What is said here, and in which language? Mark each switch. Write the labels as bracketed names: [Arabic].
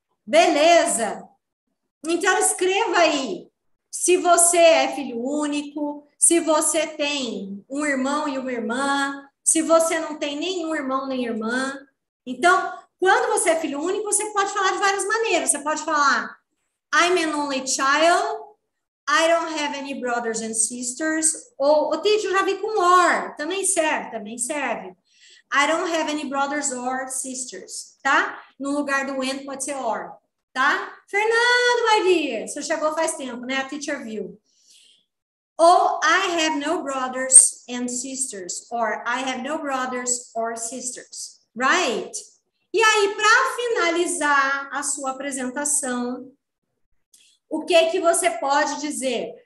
[Portuguese] Beleza? Então escreva aí se você é filho único, se você tem um irmão e uma irmã, se você não tem nenhum irmão nem irmã. Então, quando você é filho único, você pode falar de várias maneiras. Você pode falar: [English] I'm an only child, I don't have any brothers and sisters. [Portuguese] Ou, Titi, eu já vi com or, também serve, também serve. [English] I don't have any brothers or sisters, tá? [Portuguese] No lugar do and pode ser or. Tá? Fernando, [English] my dear. [Portuguese] Você chegou faz tempo, né? A teacher viu. Ou [English] I have no brothers and sisters. Or I have no brothers or sisters. Right? [Portuguese] E aí, para finalizar a sua apresentação, o que que você pode dizer?